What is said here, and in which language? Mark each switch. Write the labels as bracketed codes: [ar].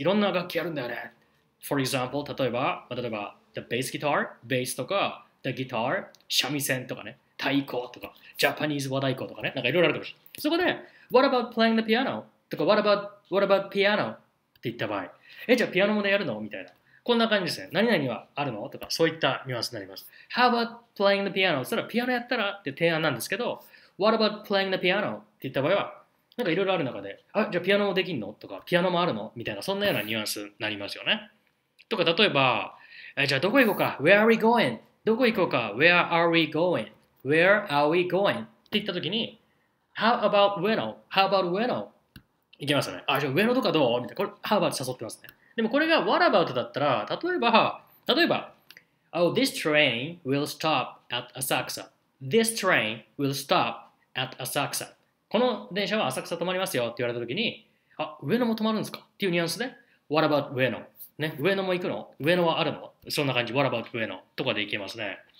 [ja] いろんな楽器あるんだよね。 [en] For example, [ja] 例えば、 [en] the bass guitar, [ja] bass とか、 [en] the guitar, [ja] 三味線とかね、太鼓とか、Japanese 和太鼓とかね、なんかいろいろあるかもしれない。そこで、 [en] What about playing the piano? [ja] とか、 [en] What about piano? [ja] って言った場合、じゃあピアノもねやるの?みたいな。こんな感じですね。何々はあるの? とか、そういったニュアンスになります。 [en] How about playing the piano? [ja] したら、ピアノやったらって提案なんですけど、 [en] What about playing the piano? [ja] って言った場合は、なんかいろいろある中で、あ、じゃあピアノもできんのとか、ピアノもあるのみたいな、そんなようなニュアンスになりますよね。とか、例えば、じゃあどこ行こうか ? [en] Where are we going? [ja] どこ行こうか [en] ?Where are we going?Where are we going? [ja] って言ったときに、 [en] How about [ja] 上野 ?How about 上野行きますよね。あ、じゃあ上野とかどうみたいな。これ、 [en] How about [ja] 誘ってますね。でもこれが [en] What about [ja] だったら、例えば、 [en] Oh, this train will stop at Asakusa. This train will stop at Asakusa. [ja] この電車は浅草止まりますよって言われたときに、あ、上野も止まるんですかっていうニュアンスで、 [en] What about [ja] 上野、ね、上野も行くの上野はあるのそんな感じ、What about 上野とかで行けますね。